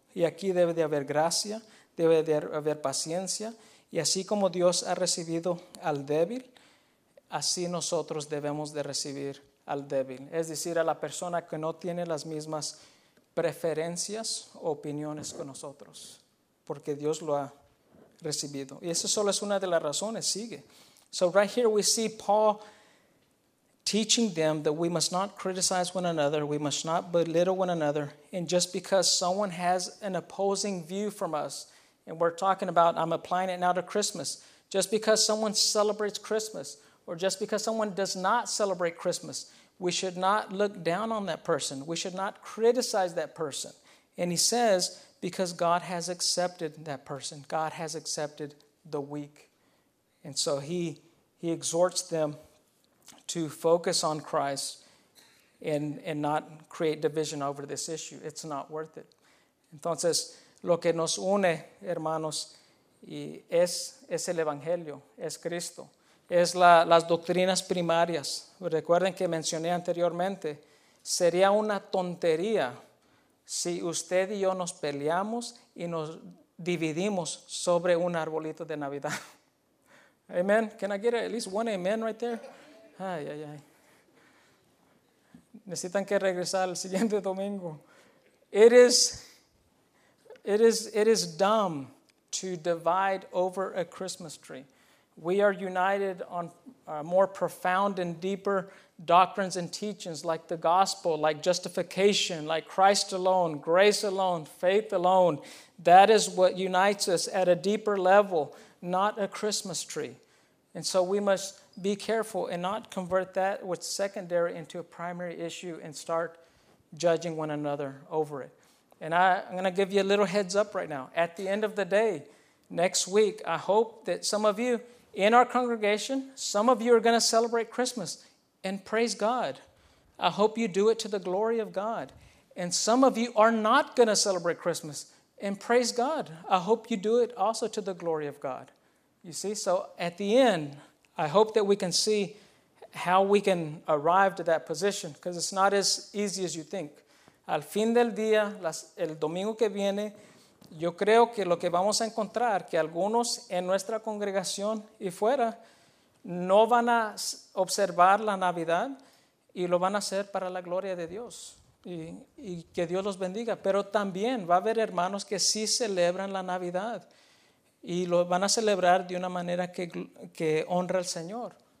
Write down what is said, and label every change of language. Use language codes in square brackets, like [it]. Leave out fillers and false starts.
[es] Y aquí debe de haber gracia, debe de haber paciencia. Y así como Dios ha recibido al débil, así nosotros debemos de recibir al débil, es decir, a la persona que no tiene las mismas preferencias o opiniones que nosotros, porque Dios lo ha recibido. Y eso solo es una de las razones, sigue. [en] So right here we see Paul teaching them that we must not criticize one another, we must not belittle one another, and just because someone has an opposing view from us, and we're talking about, I'm applying it now to Christmas, just because someone celebrates Christmas, or just because someone does not celebrate Christmas, we should not look down on that person. We should not criticize that person. And he says, because God has accepted that person. God has accepted the weak. And so he exhorts them to focus on Christ and not create division over this issue. It's not worth it. [es] Entonces, lo que nos une, hermanos, y es el Evangelio, es Cristo. Es las doctrinas primarias. Recuerden que mencioné anteriormente, sería una tontería si usted y yo nos peleamos y nos dividimos sobre un arbolito de Navidad. Amen. [en] Can I get at least one amen right there? Ay, ay, ay. [es] Necesitan que regresar el siguiente domingo. [en] It is dumb to divide over a Christmas tree. We are united on more profound and deeper doctrines and teachings like the gospel, like justification, like Christ alone, grace alone, faith alone. That is what unites us at a deeper level, not a Christmas tree. And so we must be careful and not convert that which is secondary into a primary issue and start judging one another over it. And I'm going to give you a little heads up right now. At the end of the day, next week, I hope that some of you in our congregation, some of you are going to celebrate Christmas and praise God. I hope you do it to the glory of God. And some of you are not going to celebrate Christmas and praise God. I hope you do it also to the glory of God. You see, so at the end, I hope that we can see how we can arrive to that position, because it's not as easy as you think. [es] Al fin del día, el domingo que viene, yo creo que lo que vamos a encontrar, que algunos en nuestra congregación y fuera no van a observar la Navidad y lo van a hacer para la gloria de Dios. Y que Dios los bendiga. Pero también va a haber hermanos que sí celebran la Navidad y lo van a celebrar de una manera que honra al Señor.